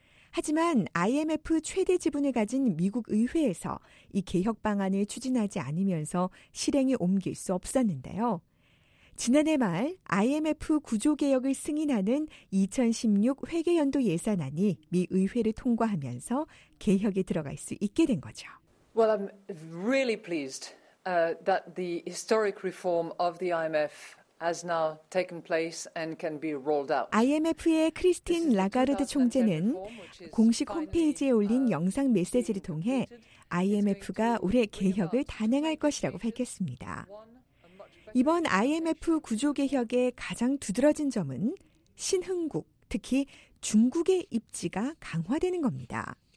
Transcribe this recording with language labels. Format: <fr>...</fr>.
<ko>하지만 IMF 최대 지분을 가진 미국 의회에서 이 개혁 방안을 추진하지 않으면서 실행에 옮길 수 없었는데요. 지난해 말 IMF 구조개혁을 승인하는 2016 회계연도 예산안이 미 의회를 통과하면서 개혁에 들어갈 수 있게 된 거죠.</ko> <en>Well, I'm really pleased that the historic reform of the IMF has now taken place and can be rolled out.</en> <ko>IMF의 크리스틴 라가르드 총재는 공식 홈페이지에 올린 영상 메시지를 통해 IMF가 올해 개혁을 단행할 것이라고 밝혔습니다. 이번 IMF 구조 개혁의 가장 두드러진 점은 신흥국, 특히 중국의 입지가 강화되는 겁니다.</ko>